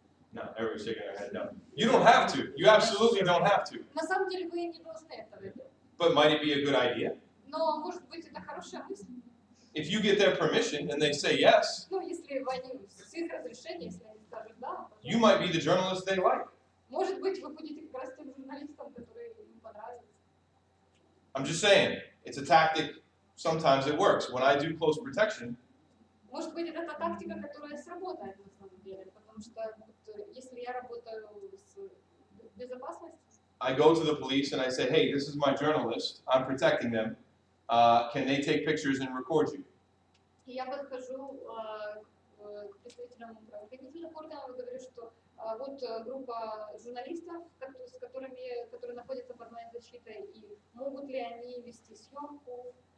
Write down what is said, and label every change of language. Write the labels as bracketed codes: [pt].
[en] No, everyone's shaking their head. No, you don't have to. You absolutely don't have to. [ru] На самом деле вы не должны этого делать. [en] But might it be a good idea? [ru] Но может быть это хорошая мысль. [en] If you get their permission and they say yes. [ru] Ну если они с их разрешения, если они скажут да. [en] You might be the journalist they like. [ru] Может быть вы будете как раз тем журналистом, который им понравится. [en] I'm just saying, it's a tactic. Sometimes it works. When I do close protection, [ru] может быть это тактика, которая сработает на самом деле, потому что если я работаю с безопасностью, [en] I go to the police and I say, "Hey, this is my journalist. I'm protecting them. Can they take pictures and record you?" [ru] Я подхожу к представителям правоохранительных органов и говорю, что вот группа журналистов, которые находятся под моей защитой, и могут ли они вести съемку?